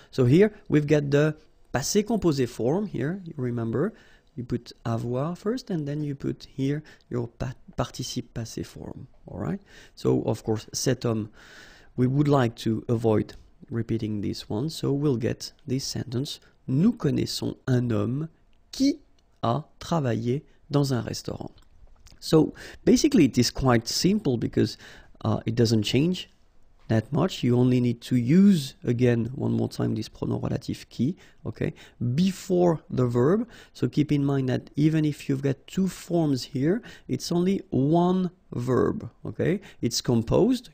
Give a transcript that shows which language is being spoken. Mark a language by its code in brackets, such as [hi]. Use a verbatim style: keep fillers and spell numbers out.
[en] So here, we've got the passé composé form here, you remember. You put avoir first, and then you put here your pa- participe passé form, all right? So, of course, cet homme, we would like to avoid repeating this one, so we'll get this sentence. [fr] Nous connaissons un homme qui a travaillé dans un restaurant. [en] So basically it is quite simple because uh, it doesn't change that much. You only need to use again one more time this pronom relatif qui, okay, before the verb. So keep in mind that even if you've got two forms here, it's only one verb, okay? It's composed.